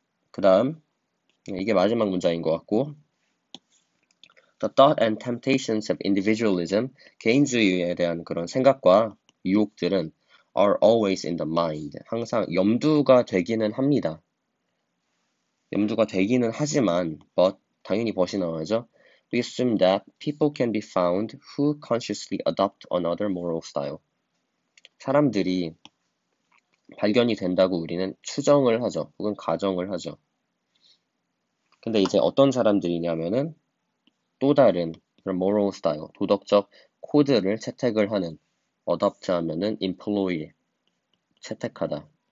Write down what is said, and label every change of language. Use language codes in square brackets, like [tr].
[ko] 그 다음, 이게 마지막 문장인 것 같고, [en] The thought and temptations of individualism, [ko] 개인주의에 대한 그런 생각과 유혹들은 [en] are always in the mind. [ko] 항상 염두가 되기는 합니다. 염두가 되기는 하지만, but, 당연히 but이 나와야죠. [en] We assume that people can be found who consciously adopt another moral style. [ko] 사람들이 발견이 된다고 우리는 추정을 하죠. 혹은 가정을 하죠. 근데 이제 어떤 사람들이냐면은 또 다른 그런 moral style, 도덕적 코드를 채택을 하는 adopt 하면은 employee, 채택하다.